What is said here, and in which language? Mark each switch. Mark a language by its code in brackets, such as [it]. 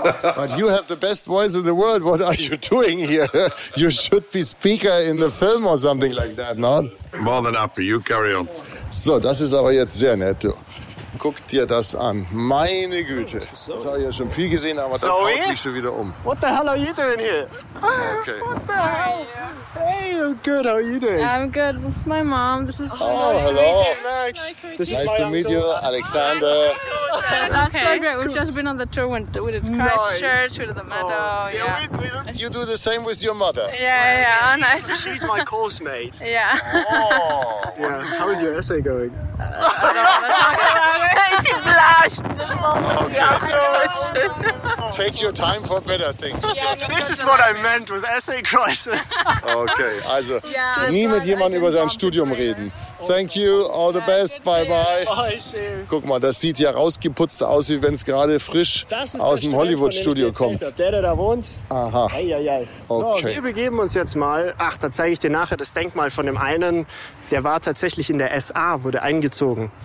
[en] But you have the best voice in the world. What are you doing here? You should be speaker in the film or something like that, not? More than happy, you carry on. [de] So, das ist aber jetzt sehr nett, du. Guck dir das an. Meine Güte. Das habe ich ja schon viel gesehen, aber das Zoe? Haut mich schon wieder um. [en] What the hell are you doing here? Okay. What the hell? Hey, I'm good. How are you doing? I'm good. It's my mom. This is Max. Oh, hello. Max. Nice to meet you, Alexander. That's so great. We've just been on the tour. We did Christchurch, we did the meadow. You do the same with your mother? Yeah. Oh, nice. She's my course mate. Yeah. Oh. Yeah. How is your essay going? She blushed. Okay. Take your time for better things. This is what I meant with essay crisis. [de] Okay, also nie mit jemandem über sein Studium reden. [en] Thank you, all the best, bye bye. [de] Guck mal, das sieht ja rausgeputzt aus, wie wenn es gerade frisch aus dem Hollywood-Studio kommt. Der da wohnt. Aha. Eieiei. Okay. So, wir begeben uns jetzt mal, ach, da zeige ich dir nachher das Denkmal von dem einen, der war tatsächlich in der SA, wurde eingezogen.